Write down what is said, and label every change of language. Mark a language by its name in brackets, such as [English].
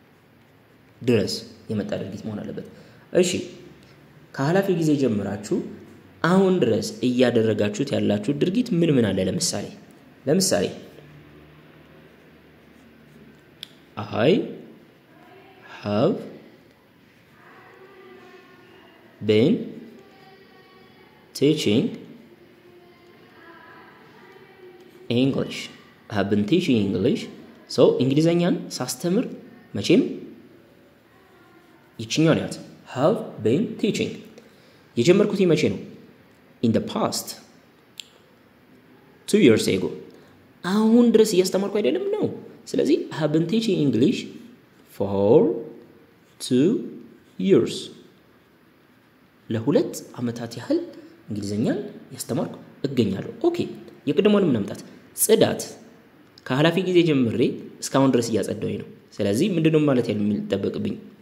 [Amharic] አሁን ድረስ የመጣ ድርጊት መሆን አለበት። እሺ ካላፊ ጊዜ ጀምራችሁ አሁን ድረስ እያደረጋችሁት ያላችሁ ድርጊት ምን አለ? ለምሳሌ [English] I have been teaching English. I have been teaching English. [Amharic] So እንግሊዘኛን ሳስተምር መቼም ይችኛው ነው ያት [English] have been teaching [Amharic] የጀመርኩት መቼ ነው? [English] In the past 2 years ago. [Amharic] አሁን ድረስ እያስተማርኩ አይደለም ነው። ስለዚህ [English] I have been teaching English for 2 years. [Amharic] ለሁለት አመታት ያህል እንግሊዘኛን ያስተማርኩ እገኛለሁ። ኦኬ የቀደመውንም ለምጣት ጽዳት ከሐላፊ ጊዜ ጀምሬ እስካሁን ድረስ እያጸዳሁ ነው። ስለዚህ ምንድነው ማለት የሚጠበቅብኝ?